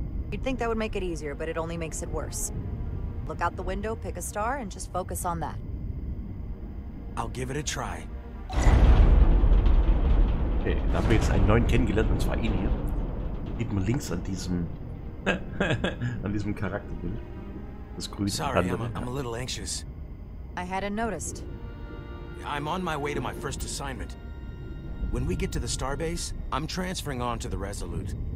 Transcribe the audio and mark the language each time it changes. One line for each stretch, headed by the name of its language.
English: You'd think that would make it easier, but it only makes it worse. Look out the window, pick a star, and just focus on that. I'll give it a try.
German: Okay, da haben wir jetzt einen neuen kennengelernt, und zwar ihn hier. Sieht man links an diesem an diesem Charakterbild. Das grüße.
English: Sorry, I'm a little anxious. I hadn't noticed. I'm on my way to my first assignment. When we get to the starbase, I'm transferring on to the Resolute.